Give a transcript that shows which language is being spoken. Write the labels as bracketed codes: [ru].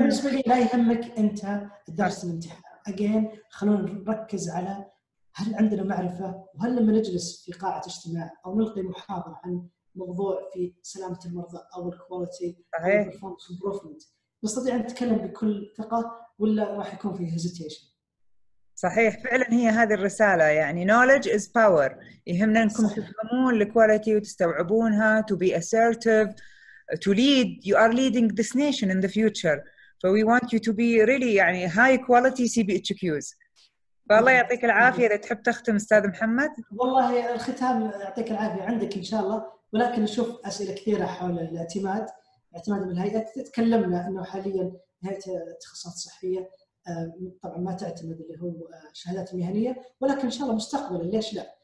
[ar] بالنسبه لي لا يهمك انت درس الامتحان، اجين خلونا نركز على هل عندنا معرفه، وهل لما نجلس في قاعه اجتماع او نلقي محاضره عن موضوع في سلامه المرضى او الكواليتي [en] performance [ar] امبروفمنت نستطيع نتكلم بكل ثقه، ولا راح يكون في هيزيتيشن؟ صحيح، فعلا هي هذه الرساله، يعني [en] knowledge is power، [ar] يهمنا انكم تفهمون الكواليتي وتستوعبونها، [en] to be assertive, to lead, you are leading this nation in the future, so we want you to be really يعني high quality CPHQs. [ar] فالله يعطيك العافيه. اذا تحب تختم استاذ محمد. والله الختام يعطيك العافيه عندك ان شاء الله، ولكن نشوف اسئله كثيره حول الاعتماد من الهيئه. تكلمنا انه حاليا هيئه التخصصات الصحيه طبعا ما تعتمد اللي هو شهادات مهنية، ولكن إن شاء الله مستقبلا ليش لا؟